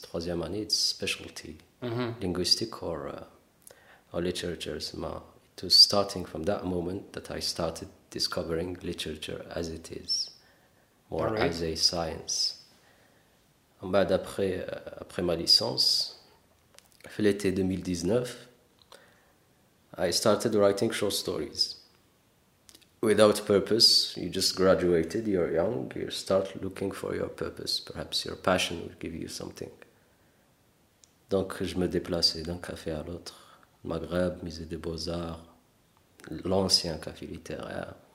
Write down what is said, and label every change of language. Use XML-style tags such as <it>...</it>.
<fr>Troisième année, c'est Specialty.</fr> <en>Linguistique or literature, it was starting from that moment that I started discovering literature as it is, more as a science.</en> <fr>En bas d'après, après ma licence, fait l'été 2019,</fr> <en>I started writing short stories. Without purpose, you just graduated, you're young, you start looking for your purpose, perhaps your passion will give you something.</en> <fr>Donc je me déplaçais d'un café à l'autre, Maghreb, Musée des Beaux-Arts, l'ancien café littéraire.</fr>